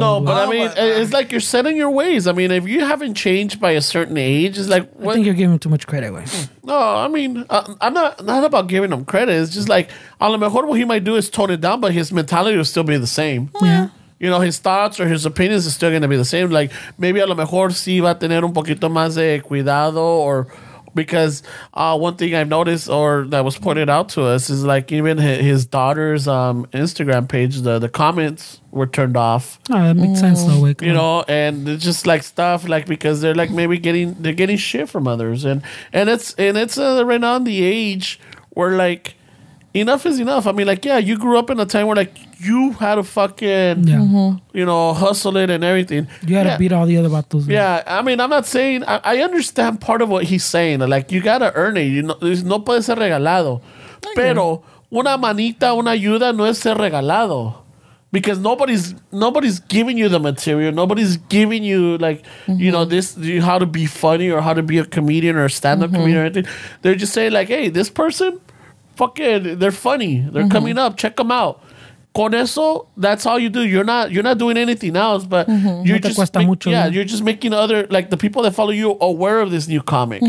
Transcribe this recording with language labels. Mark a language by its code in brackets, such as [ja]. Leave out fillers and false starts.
[en] No, but I mean, it's like you're setting your ways. I mean, if you haven't changed by a certain age, it's like... I think you're giving him too much credit, right? No, I mean, I'm not about giving him credit. It's just like, [es] a lo mejor [en] what he might do is tone it down, but his mentality will still be the same. Yeah. You know, his thoughts or his opinions are still going to be the same. Like, maybe [es] a lo mejor sí va a tener un poquito más de cuidado [en] or... Because one thing I've noticed, or that was pointed out to us, is like even his daughter's Instagram page, the comments were turned off. Oh, that makes sense, though. Wait, you know, and it's just like stuff, like because they're like maybe getting shit from others, and it's right now in the age where like enough is enough. I mean, like you grew up in a time where like you had to fucking, you know, hustle it and everything. You had to beat all the other vatos. Yeah, I mean, I'm not saying, I understand part of what he's saying. Like, you got to earn it. You know, [es] no puede ser regalado. Pero una manita, una ayuda no es ser regalado. [en] Because nobody's giving you the material. Nobody's giving you, like, you know, this, how to be funny or how to be a comedian or a stand-up comedian or anything. They're just saying, like, hey, this person, fuck it, they're funny. They're coming up. Check them out. [es] Con eso, [en] that's all you do. You're not doing anything else, but you're just you're just making other, like, the people that follow you aware of this new comic.